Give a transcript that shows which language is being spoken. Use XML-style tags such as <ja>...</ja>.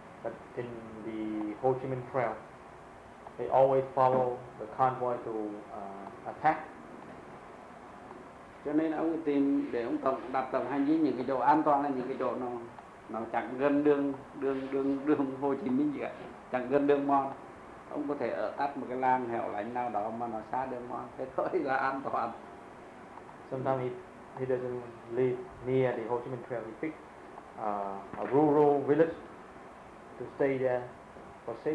<en>But in the Ho Chi Minh Trail, they always follow the convoy to attack.</en> <vi>Cho nên ông tìm để ông đặt tầm hành dinh những cái chỗ an toàn là những cái chỗ nó chẳng gần đường Hồ Chí Minh gì cả, chẳng gần đường mòn. Ông có thể ở tắt một cái làng hẻo lánh nào đó mà nó xa đường mòn, thế thôi là an toàn.</vi> <en>Sometimes he doesn't live near the Ho Chi Minh Trail. He picks a rural village to stay there for safety.</en>